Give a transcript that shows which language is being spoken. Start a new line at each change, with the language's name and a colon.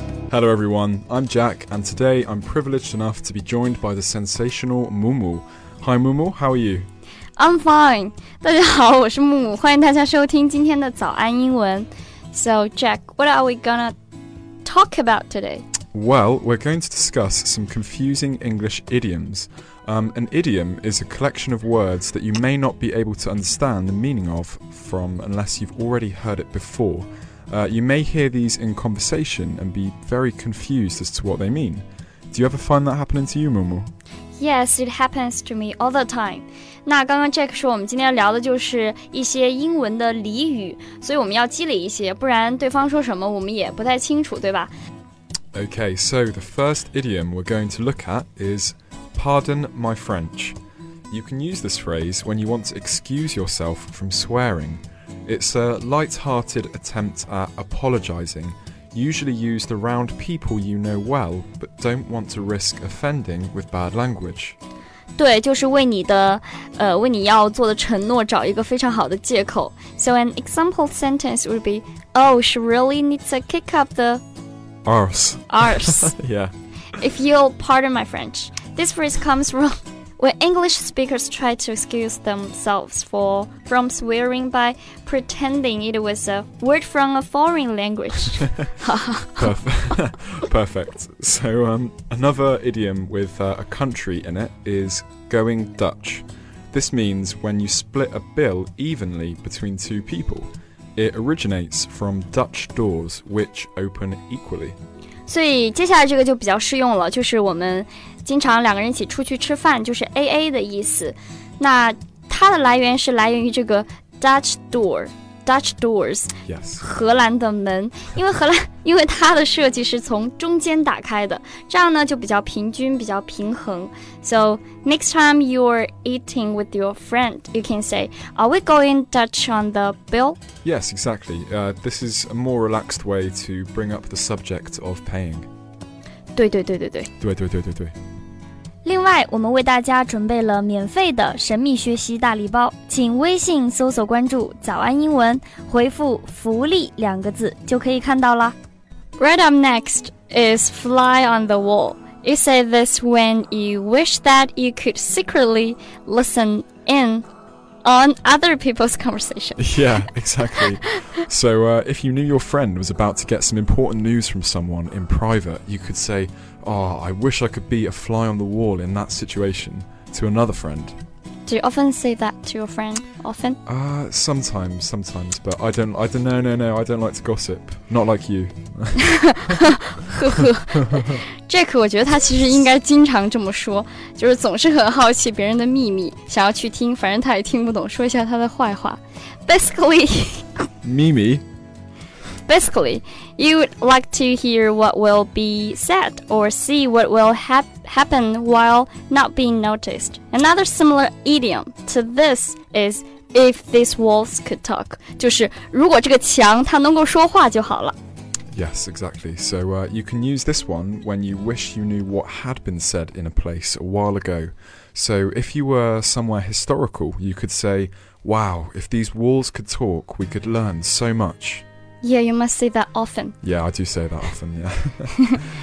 English: Hello everyone, I'm Jack, and today I'm privileged enough to be joined by the sensational Mumu. Hi Mumu, how are you? I'm fine.
Chinese: 大家好，我是木木，欢迎大家收听今天的早安英文。
English: So Jack, what are we gonna talk about today? Well, we're going to discuss some confusing English idioms. An idiom is a collection of words that you may not be able to understand the meaning of from unless you've already heard it before. You may hear these in conversation and be very confused as to what they mean. Do you ever find that happening to you, Mumu? Yes, it happens to me all the time.
Chinese: 那刚刚 Jack 说我们今天聊的就是一些英文的俚语，所以我们要积累一些，不然对方说什么我们也不太清楚，对吧？
English: Okay, so the first idiom we're going to look at is Pardon my French. You can use this phrase when you want to excuse yourself from swearing. It's a light-hearted attempt at apologizing, usually used around people you know well, but don't want to risk offending with bad language.
Chinese: 对，就是为你的，为你要做的承诺找一个非常好的借口。
English: So an example sentence would be, Oh, she really needs to kick up the... Arse. Yeah. If you'll pardon my French. This phrase comes from... When English speakers try to excuse themselves from swearing by pretending it was a word from a foreign language. Perfect. So, another idiom with a country in it is going Dutch. This means when you split a bill evenly between two people. It originates from Dutch doors, which open equally.
Chinese: 所以接下来这个就比较适用了，就是我们经常两个人一起出去吃饭，就是 AA 的意思。那它的来源是来源于这个 Dutch doors、
English: yes.
Chinese: 荷兰的门，因为荷兰因为它的设计是从中间打开的，这样呢就比较平均，比较平衡。
English: So next time you're eating with your friend, you can say, Are we going Dutch on the bill? Yes, exactly. This is a more relaxed way to bring up the subject of paying.
Chinese: 对对对对对对对对对对。另外，我们为大家准备了免费的神秘学习大礼包，请微信搜索关注“早安英文”，回复“福利”两个字就可以看到了。
English: Right up next is fly on the wall. You say this when you wish that you could secretly listen in on other people's conversation. Yeah, exactly. So, if you knew your friend was about to get some important news from someone in private, you could say,Oh, I wish I could be a fly on the wall in that situation to another friend. Do you often say that to your friend? Often? Sometimes, but I don't, I don't like to gossip. Not like you.
Chinese: 呵呵 Jack, 我觉得他其实应该经常这么说，就是总是很好奇别人的秘密，想要去听，反正他也听不懂，说一下他的坏话。
English: Basically... Mimi? Basically, you would like to hear what will be said or see what will happen while not being noticed. Another similar idiom to this is if these walls could talk.
Chinese: 就是如果这个墙它能够说话就好了。
English: Yes, exactly. So, you can use this one when you wish you knew what had been said in a place a while ago. So, if you were somewhere historical, you could say, Wow, if these walls could talk, we could learn so much. Yeah, you must say that often. Yeah, I do say that often, yeah.